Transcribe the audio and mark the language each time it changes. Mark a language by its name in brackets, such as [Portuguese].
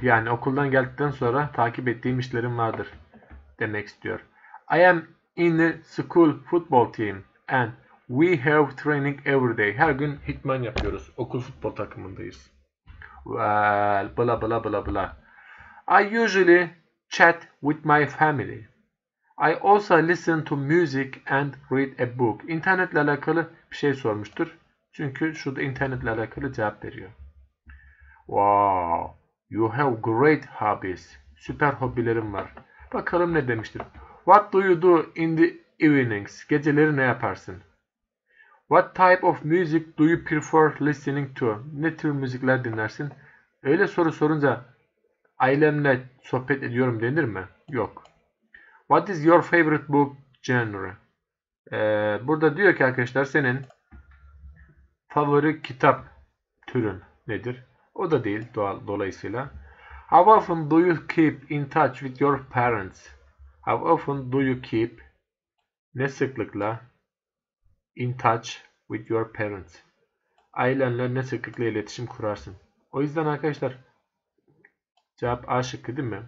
[Turkish] Yani okuldan geldikten sonra takip ettiğim işlerim vardır demek istiyor. [English] I am in the school football team and we have training every day. [Turkish] Her gün idman yapıyoruz. Okul futbol takımındayız. Well, bla bla bla bla. [English] I usually chat with my family. I also listen to music and read a book. [Turkish] İnternetle alakalı bir şey sormuştur. Çünkü şu da internetle alakalı cevap veriyor. [English] Wow, you have great hobbies. [Turkish] Süper hobilerim var. Bakalım ne demiştir. [English] What do you do in the evenings? [Turkish] Geceleri ne yaparsın? [English] What type of music do you prefer listening to? [Turkish] Ne tür müzikler dinlersin? Öyle soru sorunca ailemle sohbet ediyorum denir mi? Yok. [English] What is your favorite book genre? [Turkish] Burada diyor ki arkadaşlar senin favori kitap türün nedir? O da değil doğal, dolayısıyla. [English] How often do you keep in touch with your parents? How often do you keep, [Turkish] ne sıklıkla, [English] in touch with your parents? [Turkish] Ailenle ne sıklıkla iletişim kurarsın? O yüzden arkadaşlar, cevap A şıkkı değil mi?